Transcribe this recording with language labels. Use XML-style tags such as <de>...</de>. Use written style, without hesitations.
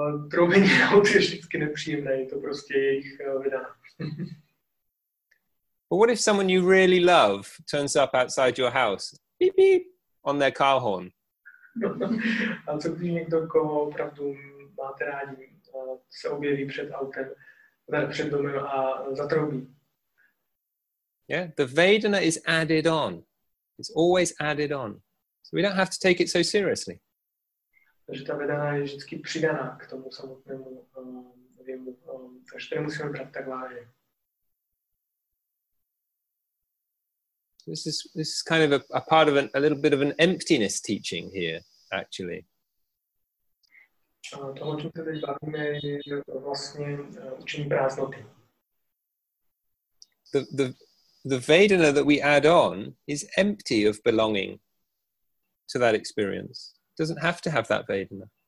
<cs>Troubení auta je vždycky nepříjemné, je to prostě jejich vina.</cs> <en>But what if someone you really love turns up outside your house, beep, beep, on their car horn?</en> <cs>A co když někdo, koho opravdu máte rádi, se objeví před autem, před domem a zatroubí.</cs> <en>Yeah, the Vedana is added on. It's always added on. So we don't have to take it so seriously.</en> <cs>Takže ta Vedana je vždycky přidaná k tomu samotnému věmu. Takže to nemusíme brát tak vážně.</cs> <en>This is kind of a part of a little bit of an emptiness teaching here, actually.</en> <cs>To, o čem se teď bavíme, je vlastně učení prázdnoty.</cs> <en>The Vedana that we add on is empty of belonging to that experience. It doesn't have to have that Vedana.</en>